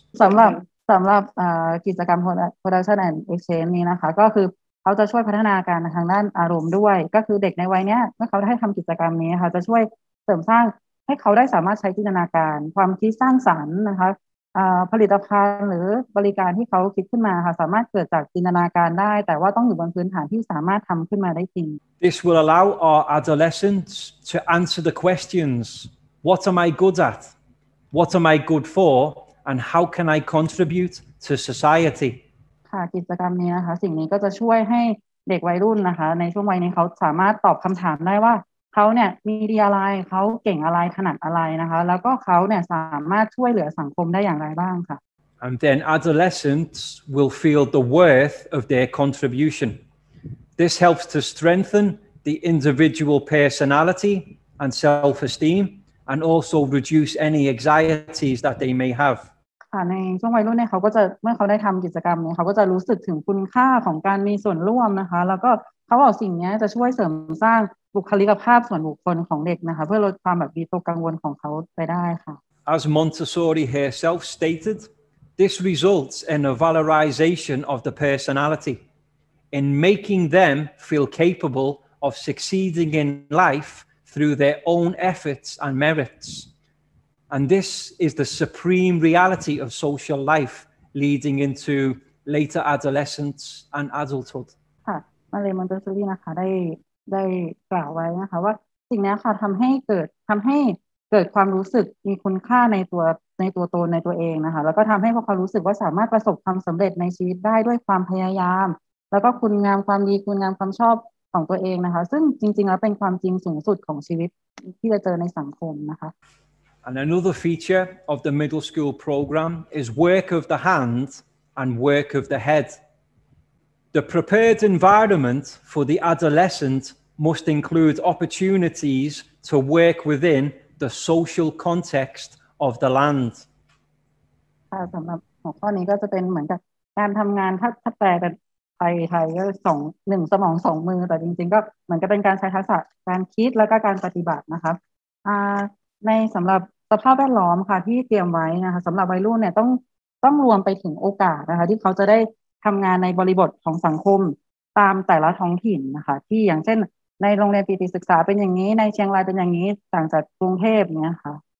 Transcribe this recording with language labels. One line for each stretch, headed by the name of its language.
Thai: สำหรับกิจกรรม
English: production and exchange
Thai: นี้นะคะก็คือเขาจะช่วยพัฒนาการทางด้านอารมณ์ด้วยก็คือเด็กในวัยนี้เมื่อเขาได้ทำกิจกรรมนี้ค่ะจะช่วยเสริมสร้างให้เขาได้สามารถใช้จินตนาการความคิดสร้างสรรค์นะคะผลิตภัณฑ์หรือบริการที่เขาคิดขึ้นมาค่ะสามารถเกิดจากจินตนาการได้แต่ว่าต้องอยู่บนพื้นฐานที่สามารถทำขึ้นมาได้จริง
English: This will allow our adolescents to answer the questions What am I good at? What am I good for? And how can I contribute to society
Thai: ค่ะกิจกรรมนี้นะคะสิ่งนี้ก็จะช่วยให้เด็กวัยรุ่นนะคะในช่วงวัยนี้เขาสามารถตอบคำถามได้ว่าเขาเนี่ยมีดีอะไรเขาเก่งอะไรถนัดอะไรนะคะแล้วก็เขาเนี่ยสามารถช่วยเหลือสังคมได้อย่างไรบ้างค่ะ
English: And then adolescents will feel the worth of their contribution This helps to strengthen the individual personality and self-esteem and also reduce any anxieties that they may have
Thai: ในช่วงวัยรุ่นเนี่ยเขาก็จะเมื่อเขาได้ทำกิจกรรมเนี่ยเขาก็จะรู้สึกถึงคุณค่าของการมีส่วนร่วมนะคะแล้วก็เขาบอกสิ่งนี้จะช่วยเสริมสร้างบุคลิกภาพส่วนบุคคลของเด็กนะคะเพื่อลดความแบบวิตกกังวลของเขาไปได้ค่ะ
English: As Montessori herself stated, this results in a valorization of the personality, in making them feel capable of succeeding in life through their own efforts and merits. And this is the supreme reality of social life leading into later adolescence and adulthood.
Thai: ค่ะ มาเลย มอนเตสซอรี่นะคะได้กล่าวไว้นะคะว่าสิ่งนี้ค่ะทำให้เกิดความรู้สึกมีคุณค่าในตัวตนในตัวเองนะคะแล้วก็ทำให้พวกเขารู้สึกว่าสามารถประสบความสำเร็จในชีวิตได้ด้วยความพยายามแล้วก็คุณงามความชอบของตัวเองนะคะซึ่งจริงๆแล้วเป็นความจริงสูงสุดของชีวิตที่จะเจอในสังคมนะคะ
English: And another feature of the middle school program is work of the hand and work of the head. The prepared environment for the adolescent must include opportunities to work within the social context of the land.
Thai: ค่ะ สำหรับหัวข้อนี้ก็จะเป็นเหมือนกับการทำงานถ้าแปลเป็นไทยก็1สมอง2มือแต่จริงๆก็เหมือนกับเป็นการใช้ทักษะการคิดแล้วก็การปฏิบัตินะคะในสำหรับสภาพแวดล้อมค่ะที่เตรียมไว้นะคะสำหรับวัยรุ่นเนี่ยต้องรวมไปถึงโอกาสนะคะที่เขาจะได้ทำงานในบริบทของสังคมตามแต่ละท้องถิ่นนะคะที่อย่างเช่นในโรงเรียนปีติศึกษาเป็นอย่างนี้ในเชียงรายเป็นอย่างนี้ต่างจากกรุงเทพเนี่ยค่ะ